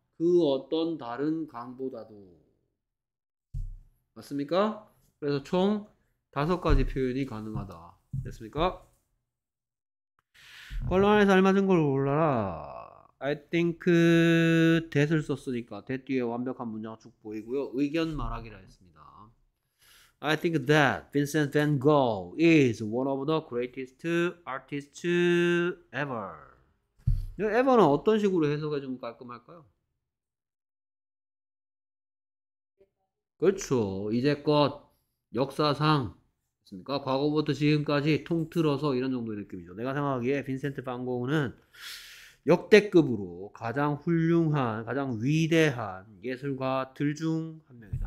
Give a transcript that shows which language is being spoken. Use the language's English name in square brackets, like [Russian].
[Korean] 그 어떤 다른 강보다도 맞습니까? 그래서 총 다섯 가지 표현이 가능하다. 됐습니까? 곤란해서 알맞은 걸 골라라. [English] I think that [Korean] 을 썼으니까 that 뒤에 완벽한 문장 쭉 보이고요. 의견 말하기라 했습니다. [English] I think that Vincent van Gogh is one of the greatest artists ever. [Korean] ever는 어떤 식으로 해석해 주면 깔끔할까요? 그렇죠. 이제껏 역사상 과거부터 지금까지 통틀어서 이런 정도의 느낌이죠. 내가 생각하기에 빈센트 반 고흐는 역대급으로 가장 훌륭한, 가장 위대한 예술가들 중한 명이다.